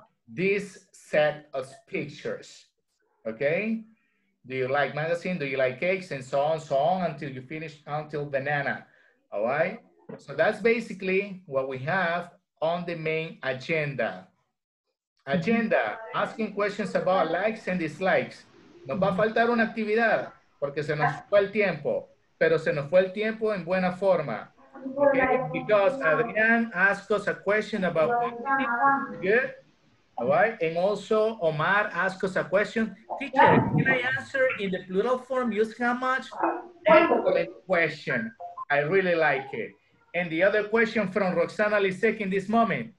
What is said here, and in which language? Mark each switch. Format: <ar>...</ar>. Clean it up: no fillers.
<en>This set of pictures, okay? Do you like magazine? Do you like cakes? And so on, until you finish, until banana, all right? So that's basically what we have on the main agenda. Agenda, asking questions about likes and dislikes.</en> <es>Nos va a faltar una actividad, porque se nos fue el tiempo, pero se nos fue el tiempo en buena forma.</es> <en>Okay? Because Adrián asked us a question about good. All right, and also Omar asked us a question. Teacher, can I answer in the plural form, use how much? Excellent question. I really like it. And the other question from Roxana Lisek in this moment.</en>